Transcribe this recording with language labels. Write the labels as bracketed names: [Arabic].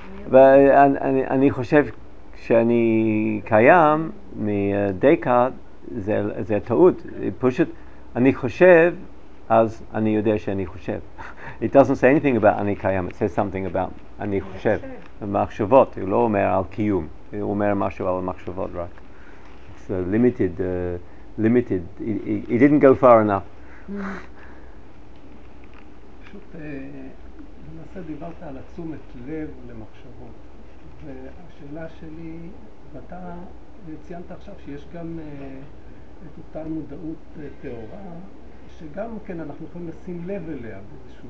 [Hebrew] ואני חושב שאני קיים, מדקארט, זה טעות. פשוט, אני חושב, אז אני יודע שאני חושב. [English] It doesn't say anything about [Hebrew] אני קיים, [English] it says something about [Hebrew] אני חושב. מחשבות, הוא לא אומר על קיום, הוא אומר משהו על מחשבות רק. [English] It's limited, limited. He didn't go far enough. [Hebrew] פשוט, למעשה דיברת על עצומת לב למחשבות. והשאלה שלי, ואתה ציינת עכשיו שיש גם את אותה מודעות תאורה, שגם כן אנחנו יכולים לשים לב אליה באיזשהו...